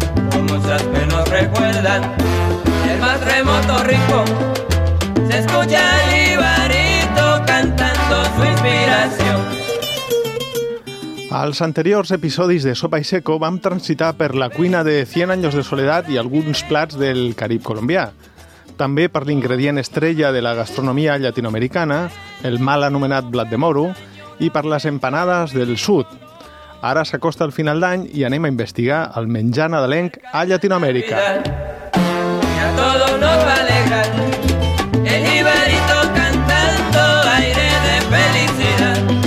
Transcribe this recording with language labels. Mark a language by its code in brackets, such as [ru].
[es] Con muchas que nos recuerdan el más remoto rincón, se escucha el Ibarito cantando su inspiración. [ca] Als anteriors episodis de Sopa i Seco vam transitar per la cuina de 100 anys de soledat i alguns plats del Carib colombià. També per l'ingredient estrella de la gastronomia llatinoamericana, el mal anomenat blat de moro, i per les empanades del sud. Ara s'acosta el final d'any i anem a investigar el menjar nadalenc a Llatinoamèrica. [es] Y a todos nos va a alegrar el Ibarito cantando aire de felicidad.